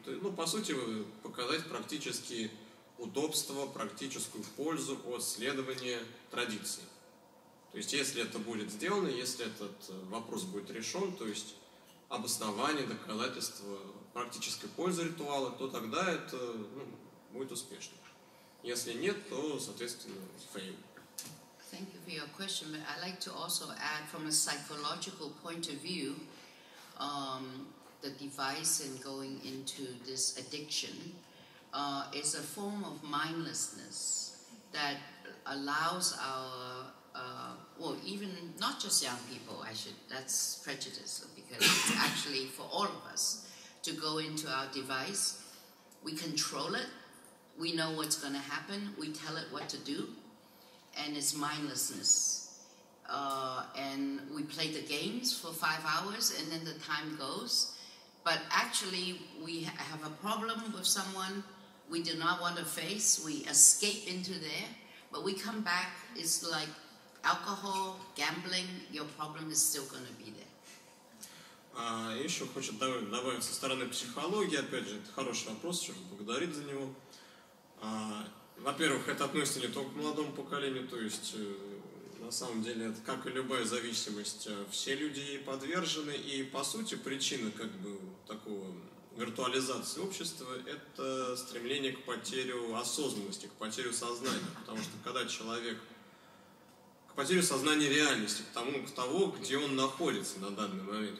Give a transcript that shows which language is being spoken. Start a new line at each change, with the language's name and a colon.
Russian: То, ну, по сути, показать практически удобство, практическую пользу от следования традиции. То есть, если это будет сделано, если этот вопрос будет решен, то есть обоснование, доказательство практической пользы ритуала, то тогда это, ну, будет успешно. Если нет, то, соответственно, фейл.
English: Thank you for your question, but I'd like to also add from a psychological point of view, the device and going into this addiction is a form of mindlessness that allows our even not just young people, that's prejudice, because it's actually for all of us to go into our device. We control it, we know what's going to happen, we tell it what to do, and it's mindlessness. And we play the games for 5 hours and then the time goes. But actually, we have a problem with someone we do not want to face, we escape into there, but we come back, it's like alcohol, gambling, your problem is still going to be there.
Russian: Еще хочу добавить со стороны психологии, опять же, это хороший вопрос, чтобы благодарить за него. Во-первых, это относится не только к молодому поколению, то есть, на самом деле, это, как и любая зависимость, все люди ей подвержены, и, по сути, причина, как бы, такого виртуализации общества – это стремление к потере осознанности, к потере сознания, потому что, когда человек к потере сознания реальности, к тому, где он находится на данный момент.